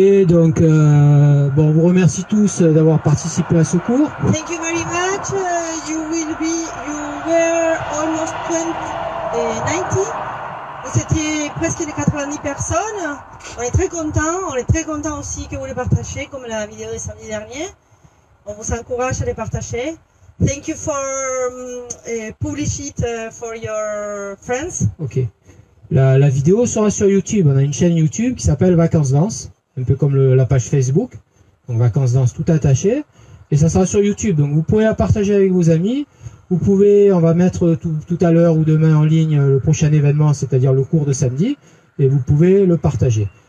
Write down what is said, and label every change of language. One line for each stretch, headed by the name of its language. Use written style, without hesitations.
French: Donc, bon, on vous remercie tous d'avoir participé à ce cours.
English: Thank you very much. You were almost 90.
French: Vous étiez presque les 90 personnes. On est très content. On est très content aussi que vous les partagiez, comme la vidéo de samedi dernier. On vous encourage à les partager.
English: Thank you for publish it for your friends.
French: Ok. La vidéo sera sur YouTube. On a une chaîne YouTube qui s'appelle Vacances Danse. Un peu comme la page Facebook, donc Vacances Danse tout attaché, et ça sera sur YouTube, donc vous pouvez la partager avec vos amis, vous pouvez, on va mettre tout à l'heure ou demain en ligne le prochain événement, c'est-à-dire le cours de samedi, et vous pouvez le partager.